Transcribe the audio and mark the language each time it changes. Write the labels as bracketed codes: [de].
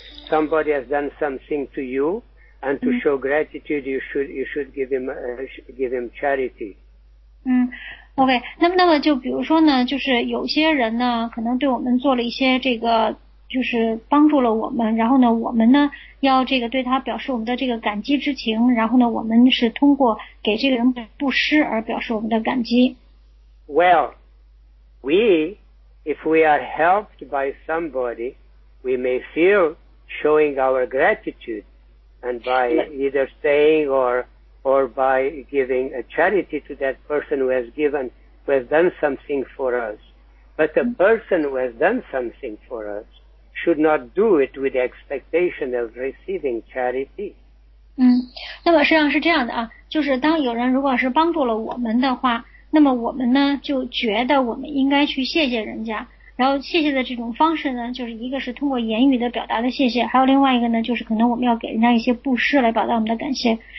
[en] Somebody has done something to you, and to show gratitude, you should give him charity. [zh] OK, 那么就比如说呢，就是有些人呢可能对我们做了一些这个就是帮助了我们，然后呢我们呢要这个对他表示我们的这个感激之情，然后呢我们是通过给这个人布施而表示我们的感激。 [en] Well, we, if we are helped by somebody, we may feel showing our gratitude and by either saying or by giving a charity to that person who has done something for us. But the person who has done something for us should not do it with the expectation of receiving charity. [zh] 那么实际上是这样的啊，就是当有人如果是帮助了我们的话，那么我们呢就觉得我们应该去谢谢人家。然后谢谢的这种方式呢，就是一个是通过言语的表达的谢谢，还有另外一个呢，就是可能我们要给人家一些布施来表达我们的感谢。